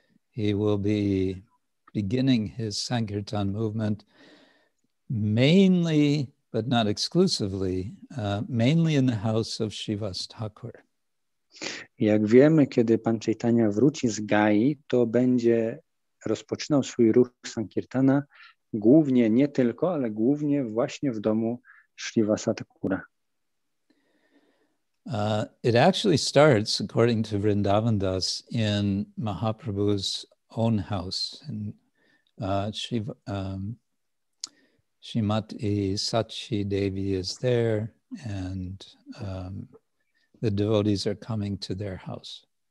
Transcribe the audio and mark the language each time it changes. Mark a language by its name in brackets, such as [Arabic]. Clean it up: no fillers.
[English] He will be beginning his Sankirtan movement mainly, but not exclusively, mainly in the house of Śrivas Thakura. [Polish] Jak wiemy, kiedy Pan Chaitanya wróci z Gai, to będzie rozpoczynał swój ruch Sankirtana głównie, nie tylko, ale głównie właśnie w domu Śrivasa Thakura. [English] It actually starts, according to Vrindavan Das, in Mahaprabhu's own house, in Shrimati Sachi Devi is there, and the devotees are coming to their house.